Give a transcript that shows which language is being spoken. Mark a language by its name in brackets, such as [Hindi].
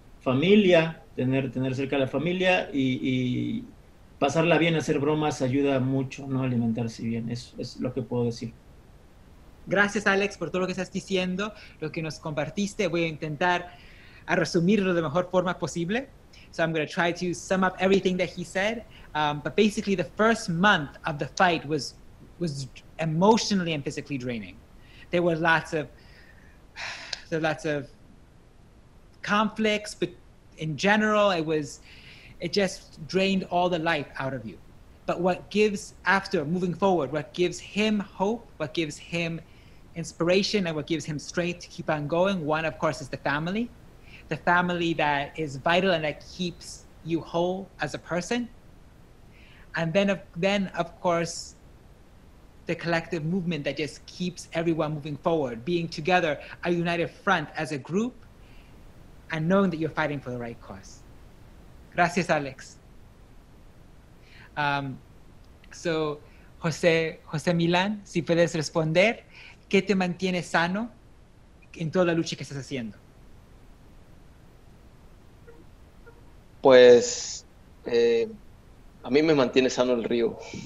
[Spanish] Familia, tener cerca a la familia y pasarla bien, hacer bromas, ayuda mucho, ¿no? Alimentarse bien, eso es lo que puedo decir. Gracias, Alex, por todo lo que estás diciendo, lo que nos compartiste. Voy a intentar a resumirlo de mejor forma posible. [English] So I'm going to try to sum up everything that he said. But basically, the first month of the fight was emotionally and physically draining. There were lots of conflicts, but in general it just drained all the life out of you. But what gives, after moving forward, what gives him hope, what gives him inspiration, and what gives him strength to keep on going, one of course is the family that is vital and that keeps you whole as a person, and then of course the collective movement that just keeps everyone moving forward, being together, a united front as a group, and knowing that you're fighting for the right cause. [Spanish] Gracias, Alex. So, José Milán, si puedes responder, ¿qué te mantiene sano en toda la lucha que estás haciendo? Pues, a mí me mantiene sano el río.